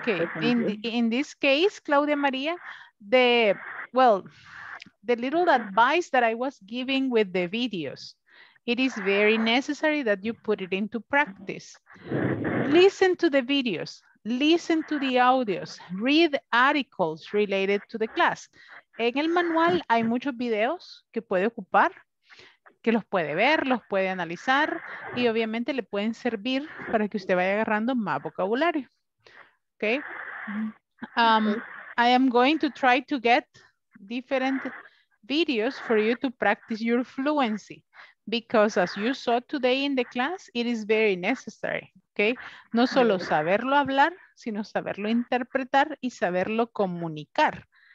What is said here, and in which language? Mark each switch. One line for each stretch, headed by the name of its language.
English: okay, in this case, Claudia Maria, the little advice that I was giving with the videos, it is very necessary that you put it into practice. Listen to the videos, listen to the audios, read articles related to the class.
Spanish: En el manual hay muchos videos que puede ocupar, que los puede ver, los puede analizar, y obviamente le pueden servir para que usted vaya agarrando más vocabulario.
English: Okay. I am going to try to get different videos for you to practice your fluency, because as you saw today in the class, it is very necessary. Okay.
Spanish: No solo saberlo hablar, sino saberlo interpretar y saberlo comunicar.